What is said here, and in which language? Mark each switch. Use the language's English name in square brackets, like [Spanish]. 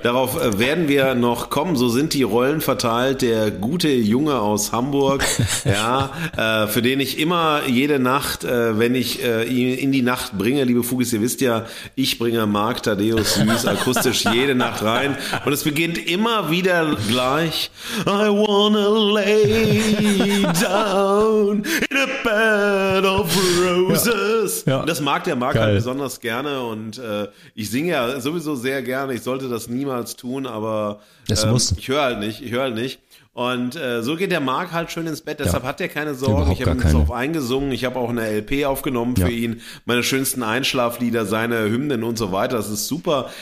[German] Darauf werden wir noch kommen. So sind die Rollen verteilt. Der gute Junge aus Hamburg, ja, für den ich immer jede Nacht, wenn ich ihn in die Nacht bringe, liebe Fugis, ihr wisst ja, ich bringe Marc Thaddäus Süß akustisch jede Nacht rein. Und es beginnt immer wieder gleich. [English] I wanna lay down in a bed of Roses. [German] Ja. Ja. Das mag der Marc halt besonders gerne und ich singe ja sowieso sehr gerne. Ich sollte das niemals tun, aber ich höre halt nicht. Und so geht der Marc halt schön ins Bett. Deshalb hat er keine Sorgen. Ich habe ihn jetzt auch eingesungen. Ich habe auch eine LP aufgenommen für ihn. Meine schönsten Einschlaflieder, seine Hymnen und so weiter. Das ist super.